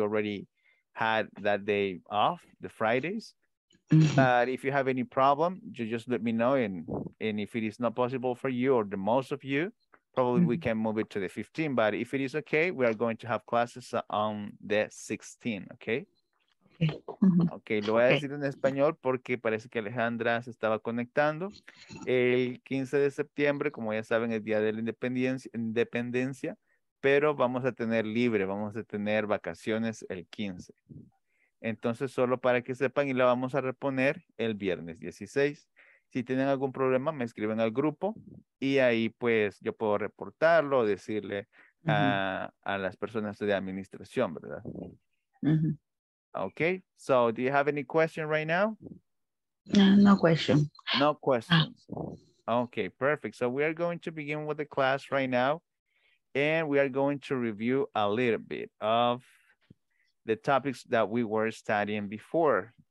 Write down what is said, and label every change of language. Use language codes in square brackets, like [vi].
[en] You already had that day off, the Fridays. Mm-hmm. But if you have any problem, you just let me know. And if it is not possible for you or the most of you, probably mm-hmm. we can move it to the 15th. But if it is okay, we are going to have classes on the 16th, okay? [es] Okay, lo voy a decir en español porque parece que Alejandra se estaba conectando. El 15 de septiembre, como ya saben, es Día de la Independencia, pero vamos a tener libre, vamos a tener vacaciones el 15. Entonces, solo para que sepan, y la vamos a reponer el viernes 16. Si tienen algún problema, me escriben al grupo y ahí pues yo puedo reportarlo o decirle a las personas de administración, ¿verdad? Uh-huh. [en] Okay, so do you have any question right now? No question. No questions. Okay, perfect. So we are going to begin with the class right now, and we are going to review a little bit of the topics that we were studying before.